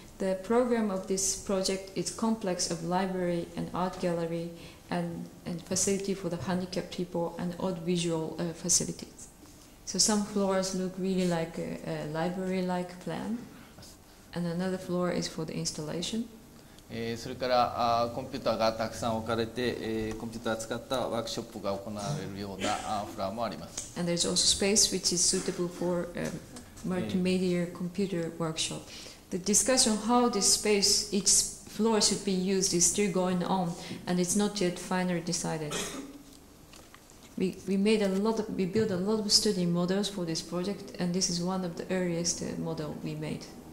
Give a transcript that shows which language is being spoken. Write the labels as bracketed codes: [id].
[en] The program of this project is complex of library and art gallery and facility for the handicapped people and odd visual facilities. So some floors look really like a library-like plan, and another floor is for the installation. [ja] それからコンピューターがたくさん置かれて、コンピューターを使ったワークショップが行われるようなフロアもあります。 [en] And there's also space which is suitable for a multimedia computer workshop. The discussion how this space, each floor should be used is still going on, and it's not yet finally decided. We built a lot of study models for this project, and this is one of the earliest model we made.